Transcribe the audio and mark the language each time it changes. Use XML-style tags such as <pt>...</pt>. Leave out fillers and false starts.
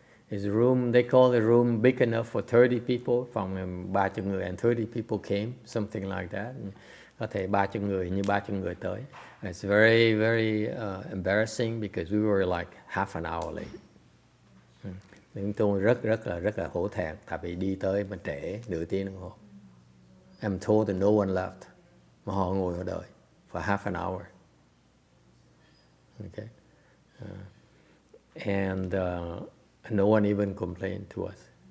<en>His room, they call the room big enough for 30 people.</en> <vi>Phòng 30 người</vi> <en>and 30 people came. Something like that.</en> <vi>Có thể 30 người như 30 người tới.</vi> <en>It's very, very embarrassing because we were like half an hour late.</en> <vi>Chúng tôi rất là hổ thẹn, tại vì đi tới mà trễ nửa tiếng đồng hồ.</vi> <en>I'm told that no one left,</en> <vi>mà họ ngồi họ đợi</vi> <en>for half an hour. Okay, and no one even complained to us.</en>